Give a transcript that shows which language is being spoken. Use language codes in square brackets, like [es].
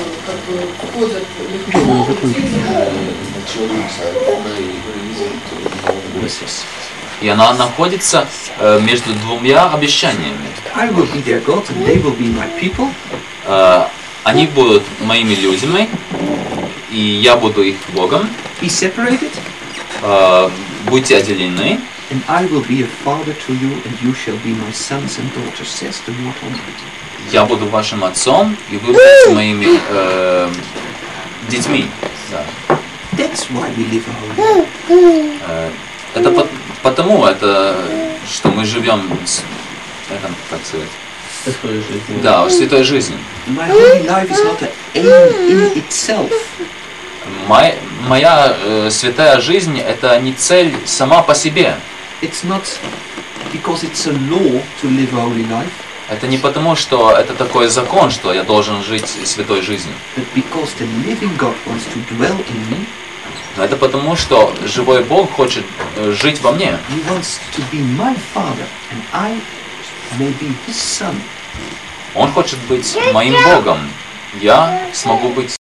[ru] Мы рассказывали, что вот эти, как бы, ходят легко, И она находится между двумя обещаниями. [en] I will be their God and they will be my people. [ru] Они будут моими людьми, и я буду их Богом. [en] Be separated. [ru] Будьте отделены. [en] And I will be a father to you, and you shall be my sons and daughters, says the Lord Almighty. [ru] Я буду вашим отцом, и вы будете моими детьми. Да. [en] That's why we live a holy life. [ru] Это потому, это, что мы живем с, это, как сказать, да, святой жизнью. Моя святая жизнь — это не цель сама по себе. [en] It's not because it's a law to live a holy life. [ru] Это не потому, что это такой закон, что я должен жить святой жизнью. [en] But because the living God wants to dwell in me. [ru] Но это потому, что живой Бог хочет жить во мне. [en] He wants to be my father, and I may be his son. [ru] Он хочет быть моим Богом. Я смогу быть